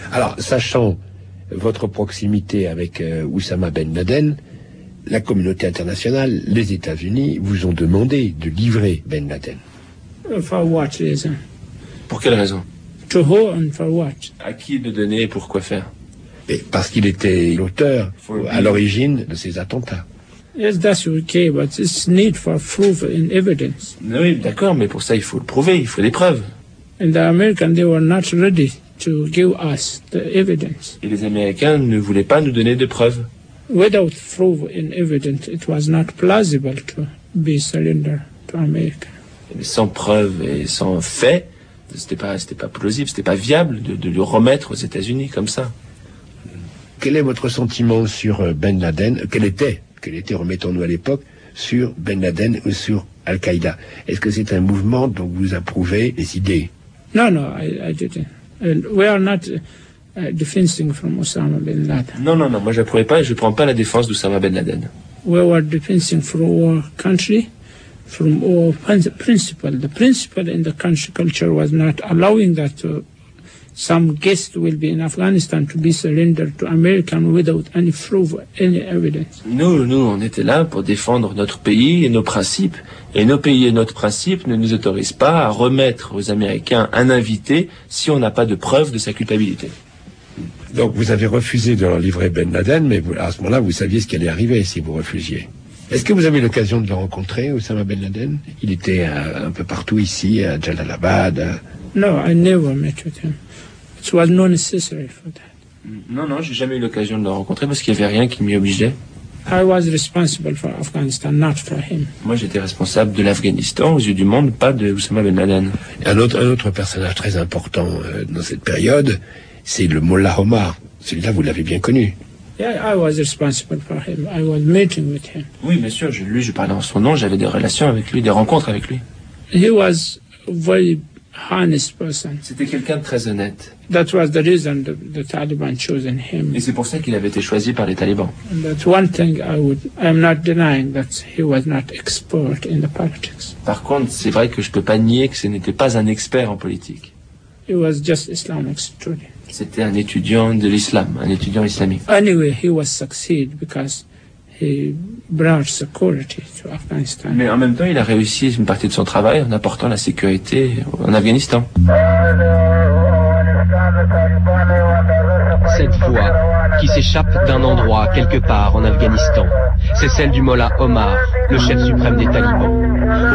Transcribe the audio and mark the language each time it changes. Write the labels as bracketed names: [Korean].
[French] Alors, sachant votre proximité avec Oussama Ben Laden, la communauté internationale, les États-Unis, vous ont demandé de livrer Ben Laden. [English] For what reason? [French] Pour quelle raison? [English] To who and for what? [French] À qui de donner et pourquoi faire? Et parce qu'il était l'auteur à l'origine de ces attentats. [English] Yes, that's okay, but it's need for proof and evidence. [French] Oui, d'accord, mais pour ça, il faut le prouver, il faut des preuves. [English] And the Americans, they were not ready to give us the evidence. [French] Et les Américains ne voulaient pas nous donner de preuves. [English] Without proof and evidence, it was not plausible to be surrender to America. [French] Sans preuve et sans fait, c'était pas plausible, c'était pas viable de le remettre aux États-Unis comme ça. Quel est votre sentiment sur Ben Laden? Quel était, remettons-nous à l'époque, sur Ben Laden ou sur Al-Qaïda? Est-ce que c'est un mouvement dont vous approuvez les idées? Non, [English] I didn't. We are not defending from Osama bin Laden. [French] Non, moi j'approuvais pas, je prends pas la défense d'Osama bin Laden. [English] We were defending for our country, from our principle. The principle in the country culture was not allowing that some guest will be in Afghanistan to be surrendered to American without any proof, any evidence. [French] Nous, on était là pour défendre notre pays et nos principes. Et nos pays et notre principe ne nous autorisent pas à remettre aux Américains un invité si on n'a pas de preuve de sa culpabilité. Donc vous avez refusé de leur livrer Ben Laden, mais vous, à ce moment-là, vous saviez ce qui allait arriver si vous refusiez. Est-ce que vous avez eu l'occasion de le rencontrer, Osama Ben Laden? Il était un peu partout ici, à Jalalabad. Non, j'ai jamais eu l'occasion de le rencontrer parce qu'il n'y avait rien qui m'y obligeait. [English] I was responsible for Afghanistan, not for him. [French] Moi, j'étais responsable de l'Afghanistan aux yeux du monde, pas de Osama Ben Laden. Un autre personnage très important dans cette période, c'est le Mullah Omar. Celui-là, vous l'avez bien connu. [English] Yeah, I was responsible for him. I was meeting with him. [French] Oui, bien sûr, je parlais en son nom, j'avais des relations avec lui, des rencontres avec lui. [English] He was a very honest person. [French] C'était quelqu'un de très honnête. [English] That was the reason the Taliban chose him. [French] Et c'est pour ça qu'il avait été choisi par les talibans. [English] And that's one thing I'm not denying, that he was not expert in the politics. [French] Par contre, c'est vrai que je peux pas nier que ce n'était pas un expert en politique. [English] He was just Islamic student. [French] C'était un étudiant de l'islam, un étudiant islamique. [English] Anyway, he was succeed because he brought security to Afghanistan. [French] Mais en même temps, il a réussi une partie de son travail en apportant la sécurité en Afghanistan. Cette voix qui s'échappe d'un endroit quelque part en Afghanistan, c'est celle du Mollah Omar, le chef suprême des talibans.